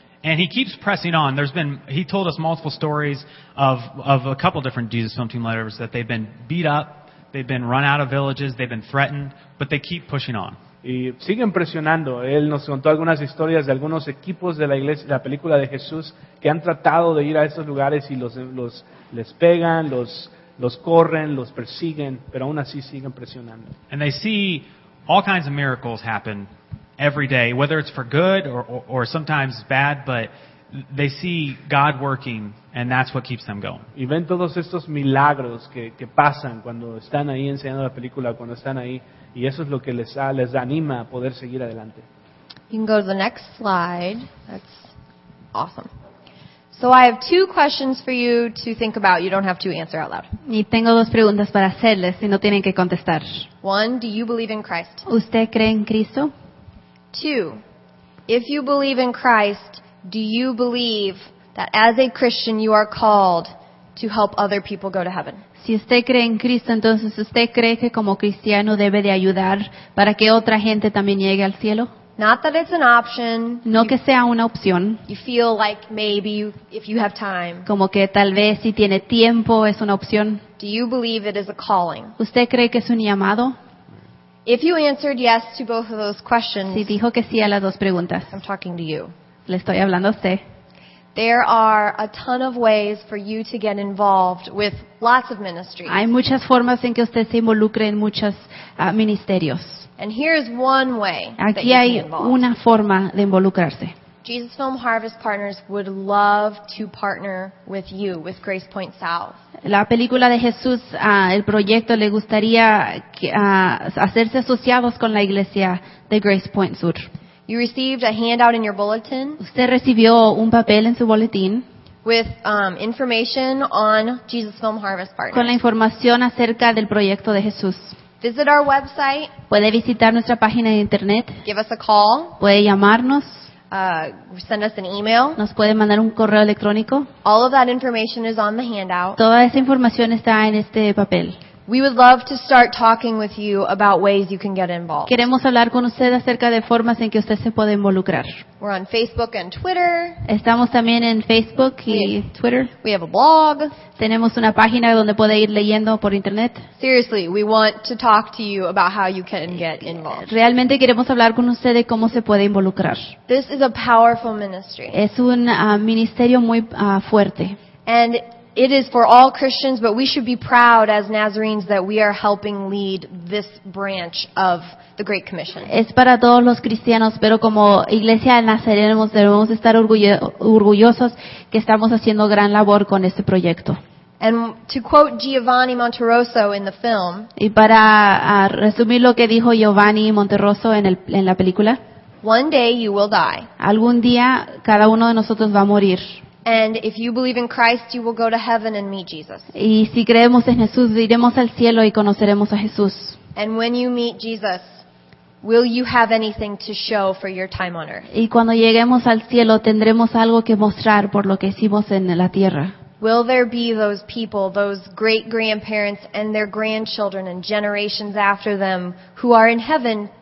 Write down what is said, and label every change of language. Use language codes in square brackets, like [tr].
[en] And he keeps pressing on. He told us multiple stories of a couple different Jesus Film Team letters that they've been beat up, they've been run out of villages, they've been threatened, but they keep pushing on. [es] Y siguen presionando. Él nos contó algunas historias de algunos equipos de la iglesia, la película de Jesús, que han tratado de ir a esos lugares y les pegan, los corren, los persiguen, pero aún así siguen presionando. [en] And they see all kinds of miracles happen every day, whether it's for good or sometimes bad, but they see God working, and that's what keeps them going. [es] Y ven todos estos milagros que pasan cuando están ahí enseñando la película, cuando están ahí, y eso es lo que les anima a poder seguir adelante. [en] You can go to the next slide. That's awesome. So I have two questions for you to think about. You don't have to answer out loud. [es] Y tengo dos preguntas para hacerles y no tienen que contestar. [en] One, do you believe in Christ? [es] ¿Usted cree en Cristo? [en] Two, if you believe in Christ, do you believe that as a Christian you are called to help other people go to heaven? [es] Si usted cree en Cristo, entonces usted cree que como cristiano debe de ayudar para que otra gente también llegue al cielo? [en] Not that it's an option. [es] No que sea una opción. [en] You feel like maybe if you have time. [es] Como que tal vez si tiene tiempo es una opción. [en] Do you believe it is a calling? [es] ¿Usted cree que es un llamado? [en] If you answered yes to both of those questions. [es] Si dijo que sí a las dos preguntas. [en] I'm talking to you. [es] Le estoy hablando a usted. [en] There are a ton of ways for you to get involved with lots of ministries. [es] Hay muchas formas en que usted se involucre en muchos ministerios. [en] And here's one way. [es] Aquí hay una forma de involucrarse. [en] Jesus Film Harvest Partners would love to partner with you with Grace Point South. [es] La película de Jesús, el proyecto le gustaría hacerse asociados con la iglesia de Grace Point Sur. [en] You received a handout in your bulletin. [es] Usted recibió un papel en su boletín. [en] With information on Jesus Film Harvest Partners. [es] Con la información acerca del proyecto de Jesús. [en] Visit our website. [es] Puede visitar nuestra página de internet. [en] Give us a call. [es] Puede llamarnos. [en] Send us an email. [es] Nos puede mandar un correo electrónico. [en] All of that information is on the handout. [es] Toda esa información está en este papel. [en] We would love to start talking with you about ways you can get involved. [es] Queremos hablar con usted acerca de formas en que usted se puede involucrar. [en] We're on Facebook and Twitter. [es] Estamos también en Facebook y Twitter. [en] We have a blog. [es] Tenemos una página donde puede ir leyendo por internet. [en] Seriously, we want to talk to you about how you can get involved. [es] Realmente queremos hablar con usted de cómo se puede involucrar. [en] This is a powerful ministry. [es] Es un ministerio muy fuerte. [en] And it is for all Christians, but we should be proud as Nazarenes that we are helping lead this branch of the Great Commission. [es] Es para todos los cristianos, pero como iglesia de Nazarenos debemos estar orgullosos que estamos haciendo gran labor con este proyecto. [en] And to quote Giovanni Monterroso in the film. [es] Y para resumir lo que dijo Giovanni Monterroso en la película. [en] One day you will die. [es] Algún día cada uno de nosotros va a morir. [en] And if you believe in Christ, you will go to heaven and meet Jesus. [es] Y si creemos en Jesús, iremos al cielo y conoceremos a Jesús. [en] And when you meet Jesus, will you have anything to show for your time on earth? [es] Y cuando lleguemos al cielo, tendremos algo que mostrar por lo que hicimos en la tierra. [en] Will there be those people, those great grandparents and their grandchildren and generations after them who are in heaven?